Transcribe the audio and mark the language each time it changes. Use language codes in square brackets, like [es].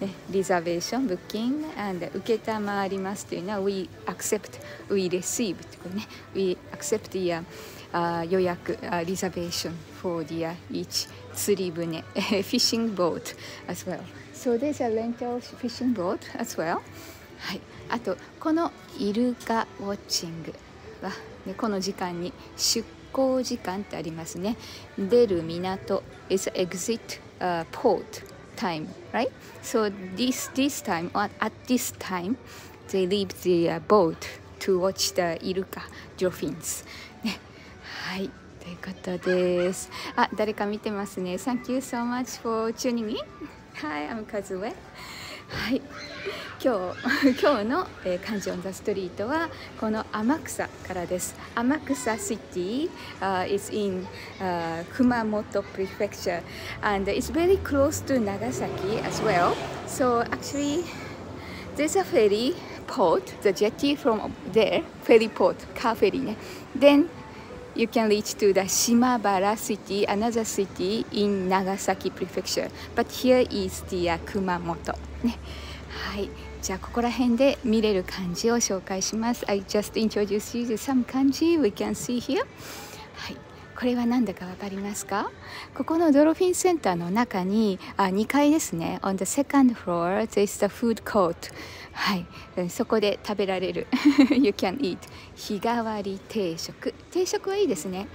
[en] リザベーション、ブッキング、and [ja] 受けたまわりますというのは、 [en] We accept, we receive [ja] というね、 [en] We accept the予約、リザベーション for the each 釣り船、fishing boat as well. So there's a rental fishing boat as well. [ja] はい、あと、このイルカウォッチングは、ね、この時間に出港時間ってありますね。 [en] 出る港 is exit port. Time, right? So this time, at this time, they leave the boat to watch the Iruka dolphins. [ja] ね、はい、ということです。あ、誰か見てますね。 [en] Thank you so much for tuning in. Hi, I'm Kazue. [ja] はい、今日の、Kanji on the street はこの Amakusa からです。 [en] Amakusa City is in Kumamoto Prefecture and it's very close to Nagasaki as well. So actually, there's a ferry port, the jetty from there, ferry port, car ferry ね。 Then you can reach to the Shimabara City, another city in Nagasaki Prefecture. But here is the Kumamoto. [ja] ね、はい、じゃあここら辺で見れる漢字を紹介します。 [en] I just introduced you to some 漢字 we can see here、 [ja] はい、これは何だか分かりますか？ここのドルフィンセンターの中に2階ですね、 [en] on the second floor there is the food court、 [ja] はい、そこで食べられる [en] you can eat [ja] 日替わり定食、定食はいいですね。